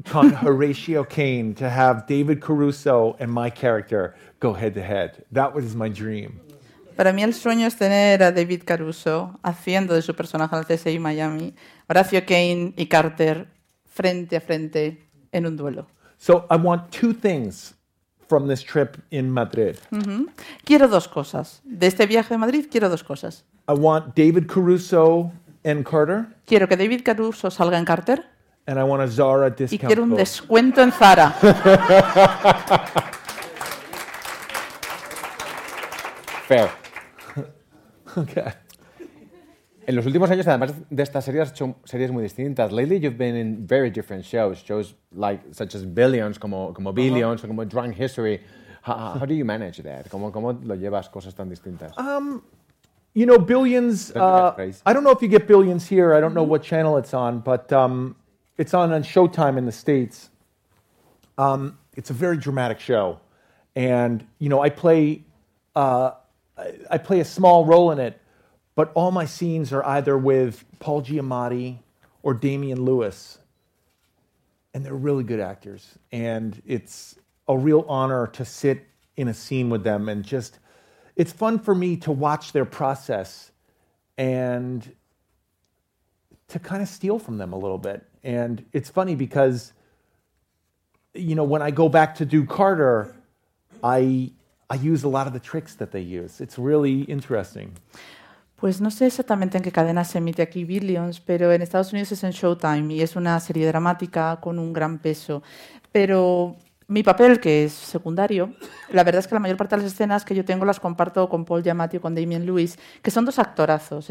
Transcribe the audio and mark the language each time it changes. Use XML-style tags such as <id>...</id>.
<en>Con Horatio Caine to have David Caruso and my character go head to head. That was my dream.</en> <es>Para mí el sueño es tener a David Caruso haciendo de su personaje al CSI Miami, Horatio Caine y Carter frente a frente en un duelo.</es> <en>So I want two things from this trip in Madrid.</en> <es>Mm-hmm. Quiero dos cosas. De este viaje a Madrid quiero dos cosas.</es> <en>I want David Caruso and Carter.</en> <es>Quiero que David Caruso salga en Carter.</es> <en>And I want a Zara discount.</en> <es>Y quiero un descuento en Zara.</es> <en>Fair. Okay.</en> <es>En los últimos años, además de estas series, has hecho series muy distintas.</es> <en>Lately, you've been in very different shows. Shows like such as Billions, como Billions, uh-huh. Como Drunk History. How do you manage that?</en> <es>¿Cómo lo llevas cosas tan distintas?</es> <en>You know, Billions. I don't know if you get Billions here. I don't know what channel it's on, but. It's on Showtime in the States. It's a very dramatic show. And, you know, I play a small role in it, but all my scenes are either with Paul Giamatti or Damian Lewis. And they're really good actors. And it's a real honor to sit in a scene with them. And just, it's fun for me to watch their process and to kind of steal from them a little bit. And it's funny because, you know, when I go back to do Carter, I use a lot of the tricks that they use. It's really interesting.</en> <es>Pues no sé exactamente en qué cadena se emite aquí Billions, pero en Estados Unidos es en Showtime y es una serie dramática con un gran peso. Pero mi papel, que es secundario, la verdad es que la mayor parte de las escenas que yo tengo las comparto con Paul Giamatti o con Damian Lewis, que son dos actorazos.</es>